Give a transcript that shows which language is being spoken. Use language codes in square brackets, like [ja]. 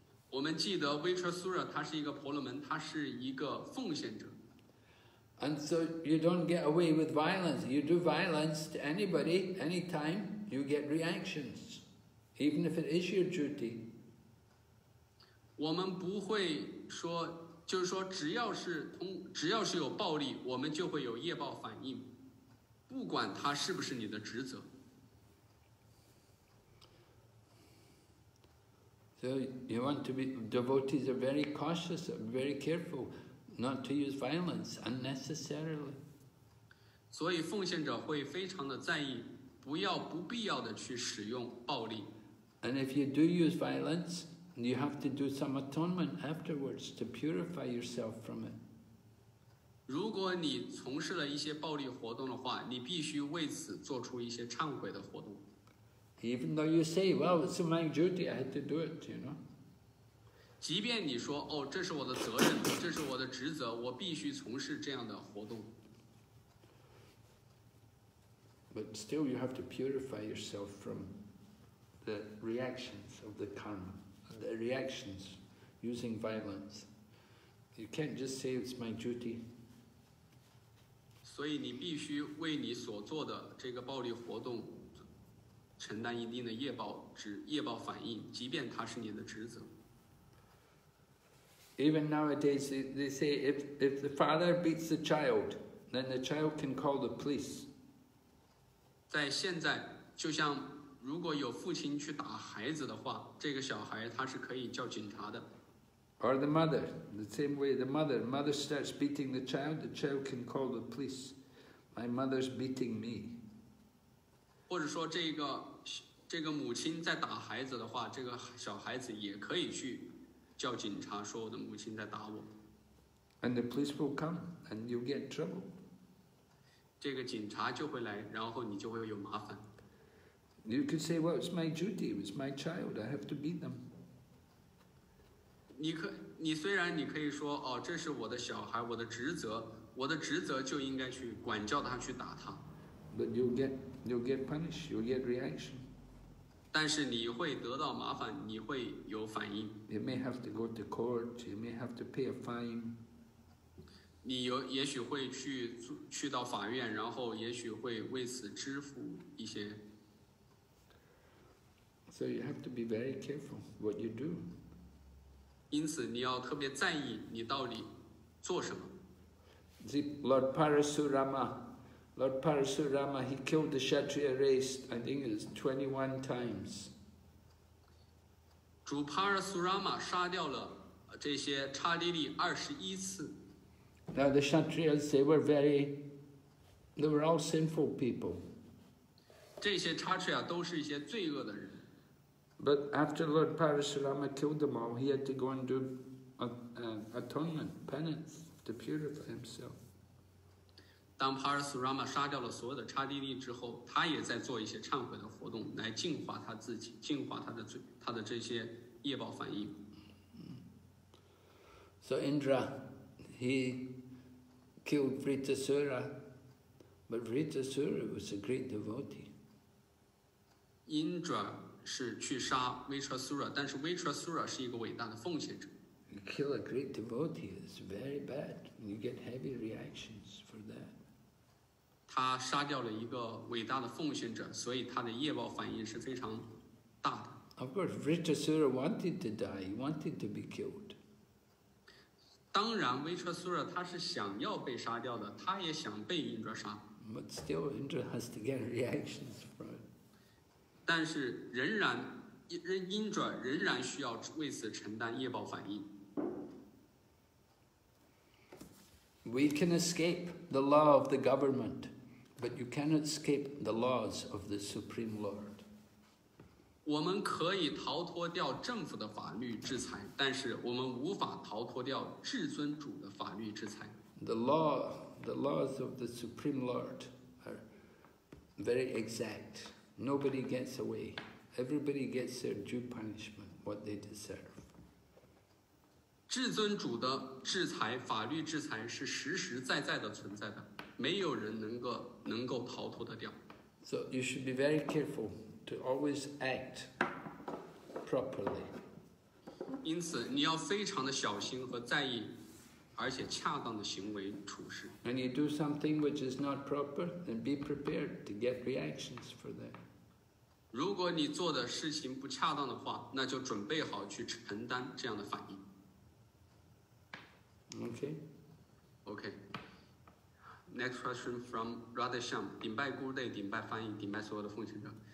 [zh] 我们记得Vishwasura他是一个婆罗门，他是一个奉献者。 [en] And so you don't get away with violence. You do violence to anybody, anytime, you get reactions, even if it is your duty. [zh] 我们不会说，就是说只要是有暴力，我们就会有业报反应，不管它是不是你的职责。 [en] So you want to be, devotees are very cautious, very careful not to use violence unnecessarily. [zh] 所以奉献者会非常的在意，不要不必要的去使用暴力。 [en] And if you do use violence, you have to do some atonement afterwards to purify yourself from it. [zh] 如果你从事了一些暴力活动的话，你必须为此做出一些忏悔的活动。 [en] Even though you say, well, it's my duty, I had to do it, you know. [zh] 即便你说，哦，这是我的责任，这是我的职责，我必须从事这样的活动。 [en] But still you have to purify yourself from the reactions of the karma, the reactions using violence. You can't just say it's my duty. [zh] 所以你必须为你所做的这个暴力活动承担一定的业报反应，即便它是你的职责。 [en] Even nowadays they say if the father beats the child, then the child can call the police. [zh] 在现在，就像如果有父亲去打孩子的话，这个小孩他是可以叫警察的。 [en] Or the mother, the same way the mother starts beating the child can call the police. My mother's beating me. [zh] 或者说这个母亲在打孩子的话，这个小孩子也可以去叫警察，说我的母亲在打我。 [en] And the police will come, and you'll get trouble. [zh] 这个警察就会来，然后你就会有麻烦。 [en] You could say, well, it's my duty, it's my child, I have to beat them. [zh] 你虽然可以说，哦，这是我的小孩，我的职责就应该去管教他，去打他。 [en] But you'll get punished, you'll get reaction. [zh] 但是你会得到麻烦，你会有反应。 [en] You may have to go to court, you may have to pay a fine. [zh] 你也许会去到法院，然后也许会为此支付一些。 [en] So you have to be very careful what you do. [zh] 因此你要特别在意你到底做什么。 [en] Lord Parasurama, he killed the Kshatriya race, I think it's 21 times. [zh] 主 Parasurama 杀掉了这些刹帝利21次。 [en] Now the Kshatriyas, they were all sinful people. [zh] 这些 Kshatriya 都是一些罪恶的人。 [en] But after Lord Parasurama killed them all, he had to go and do atonement, penance, to purify himself. [zh] 当 Parasurama 杀掉了所有的刹帝利之后，他也在做一些忏悔的活动，来净化他自己，净化他的罪，他的这些业报反应。 [en] So Indra, he killed Vritasura, but Vritasura was a great devotee. [zh] Indra. 是去杀 Vritasura， 但是 Vritasura 是一个伟大的奉献者。 [en] You kill a great devotee, it's very bad. You get heavy reactions for that. [zh] 他杀掉了一个伟大的奉献者，所以他的业报反应是非常大的。 [en] Of course, Vritasura wanted to die. He wanted to be killed. [zh] 当然 ，Vritasura 他是想要被杀掉的，他也想被 Indra 杀。 [en] But still, Indra has to get reactions from it. [zh] 但是仍然，Indra仍然需要为此承担业报反应。 [en] We can escape the law of the government, but you cannot escape the laws of the Supreme Lord. [zh] 我们可以逃脱掉政府的法律制裁，但是我们无法逃脱掉至尊主的法律制裁。 [en] The laws of the Supreme Lord are very exact. Nobody gets away. Everybody gets their due punishment, what they deserve. [zh] 至尊主的制裁，法律制裁是实实在在的存在的，没有人能够逃脱得掉。 [en] So you should be very careful to always act properly. [zh] 因此，你要非常的小心和在意，而且恰当的行为处事。 [en] When you do something which is not proper, then be prepared to get reactions for that. [zh] 如果你做的事情不恰当的话，那就准备好去承担这样的反应。 [en] Okay. Next question from Radhisham. [zh] 顶拜 Gurudev, 顶拜翻译，顶拜所有的奉献者。